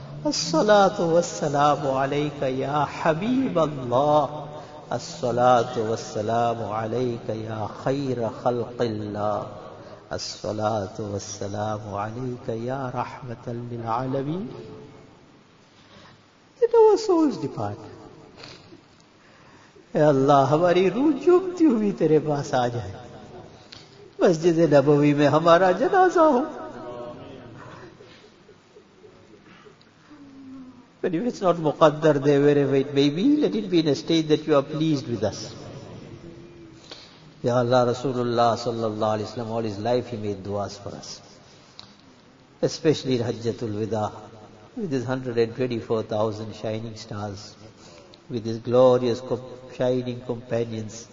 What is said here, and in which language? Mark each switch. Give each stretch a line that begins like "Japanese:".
Arabic: الصلاة والسلام عليك يا حبيب الله الصلاة والسلام عليك يا خير خلق الله الصلاة والسلام عليك يا رحمة للعالمين.
English: Let our souls depart.
Urdu: Ya Allah, ہماری روح جھومتی ہوئی تیرے پاس آ جائے. مسجد نبوی میں ہمارا جنازہ ہو.
English: But if it's not muqaddar there, wherever it may be, let it be in a state that you are pleased with us. Ya Allah, Rasulullah sallallahu alayhi wa sallam, all his life he made du'as for us. Especially in Hajjatul Wida, with his 124,000 shining stars, with his glorious shining companions.